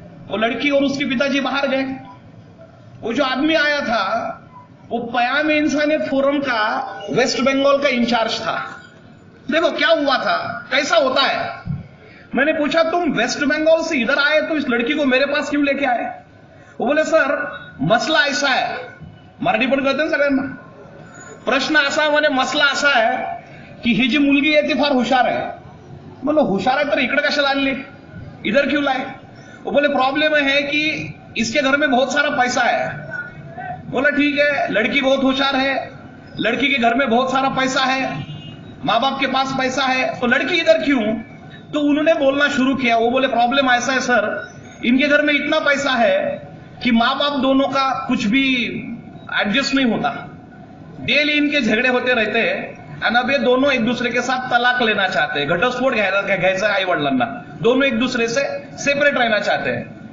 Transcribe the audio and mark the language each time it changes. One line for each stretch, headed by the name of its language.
Hindi: वो लड़की और उसके पिताजी बाहर गए। वो जो आदमी आया था वो पयाम इंसानियत फोरम का वेस्ट बंगाल का इंचार्ज था। देखो क्या हुआ था, कैसा होता है। मैंने पूछा तुम वेस्ट बंगाल से इधर आए तो इस लड़की को मेरे पास क्यों लेके आए? वो बोले सर मसला ऐसा है,
Marathi: मराठी पण कळते सर, प्रश्न असा, म्हणे मसला असा आहे की ही जी मुलगी आहे ती फार हुशार आहे। म्हणलं हुशार आहे तर इकडे कशाला आणली,
Hindi: इधर क्यों लाए? वो बोले प्रॉब्लेम है कि इसके घर में बहुत सारा पैसा है। बोला ठीक है, लड़की बहुत होशियार है, लड़की के घर में बहुत सारा पैसा है, मां बाप के पास पैसा है, तो लड़की इधर क्यों? तो उन्होंने बोलना शुरू किया। वो बोले प्रॉब्लम ऐसा है सर, इनके घर में इतना पैसा है कि मां बाप दोनों का कुछ भी एडजस्ट नहीं होता, डेली इनके झगड़े होते रहते हैं, और अब ये दोनों एक दूसरे के साथ तलाक लेना चाहते हैं,
Marathi: घटस्फोट घायल आई वड़लना,
Hindi: दोनों एक दूसरे से सेपरेट रहना चाहते हैं।